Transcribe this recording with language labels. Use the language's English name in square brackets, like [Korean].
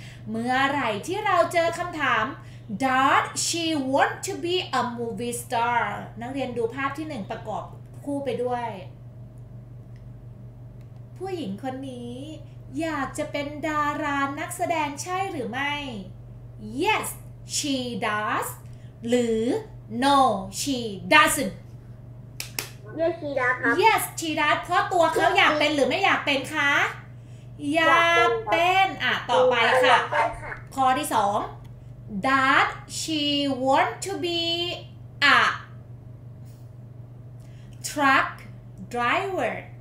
[Thai] เมื่อไหร่ที่เราเจอคำถาม [English] Does she want to be a movie star [Thai] นักเรียนดูภาพที่1ประกอบคู่ไปด้วยผู้หญิงคนนี้อยากจะเป็นดารานักแสดงใช่หรือไม่ [English] Yes, she does. [Thai] หรือ [English] No, she doesn't. Yes, she does. Yes, she does. [Thai] เพราะตัวเขาอยากเป็นหรือไม่อยากเป็นคะอยากเป็นอ่ะต่อไปค่ะข้อที่2 [English] Does she want to be a truck driver?